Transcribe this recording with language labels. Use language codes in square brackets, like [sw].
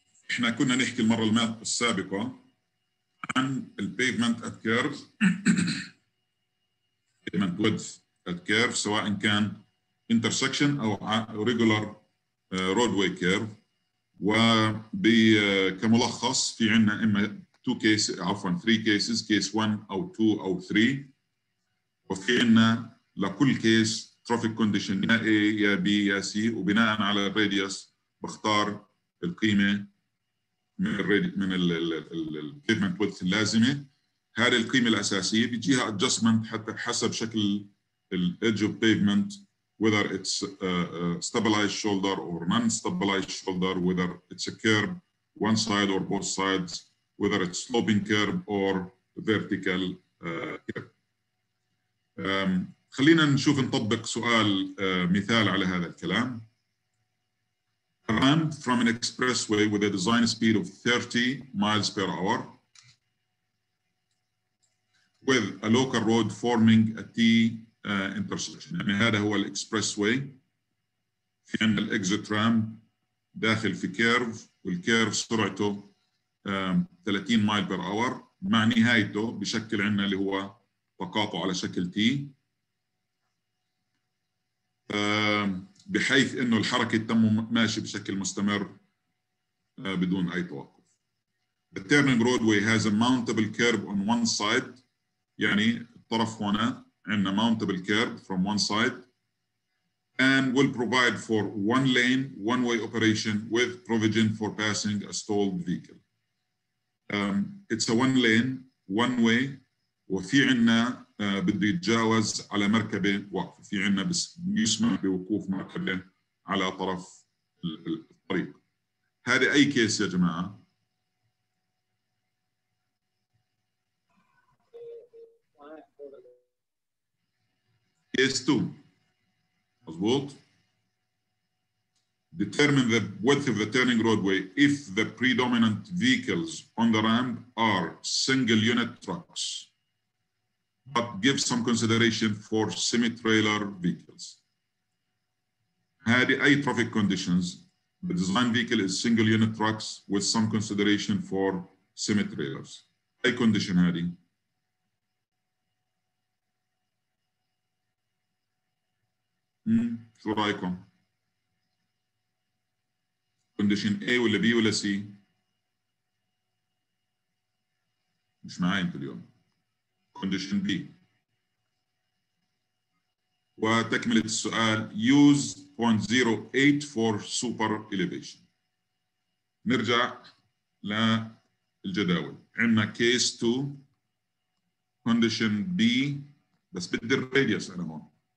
[ar] احنا كنا نحكي المرة السابقة عن الـ [en] pavement at curves pavement width at curves سواء كان intersection أو regular roadway curve. [ar] وكملخص في عنا إما [en] two cases [ar] عفوا [en] three cases [ar] case one أو two أو three وفي عنا لكل case [en] traffic condition [ar] يا A يا B يا C وبناء على radius بختار القيمة من ال [en] pavement width [ar] اللازمة. هذه القيمة الأساسية بيجيها adjustment حتى حسب شكل ال [en] edge of pavement whether it's stabilized shoulder or non-stabilized shoulder, whether it's a curb one side or both sides, whether it's sloping curb or vertical curb. [ar] خلينا نشوف نطبق سؤال مثال على هذا الكلام. [en] A ramp from an expressway with a design speed of 30 miles per hour with a local road forming a T intersection. [ar] يعني هذا هو الاكسبرسواي في عندنا الاكزيت رام داخل في كيرف والكيرف سرعته 30 ميل بير اور مع نهايته بشكل عندنا اللي هو تقاطع على شكل تي بحيث انه الحركه تتم ماشي بشكل مستمر بدون اي توقف. [en] The turning roadway has a mountable curb on one side [ar] يعني الطرف هنا عندنا [en] mountable curb from one side and will provide for one lane one way operation with provision for passing a stalled vehicle. It's a one lane one way [ar] وفي عندنا بده يتجاوز على مركبه واقفه، في عندنا بس يسمح بوقوف مركبه على طرف الطريق. هذا اي كيس يا جماعه؟ Case 2 مضبوط. [en] Determine the width of the turning roadway if the predominant vehicles on the ramp are single unit trucks but give some consideration for semi trailer vehicles. [ar] هذه اي [en] traffic conditions the design vehicle is single unit trucks with some consideration for semi trailers. [ar] اي condition هذه؟ شو رايكم؟ كونديشن A ولا B ولا C؟ مش معي انت اليوم. كونديشن B. وتكملة السؤال [en] use 0.08 for super elevation. [ar] نرجع للجداول. عندنا كيس 2 كونديشن B بس بدي الراديوس انا هون.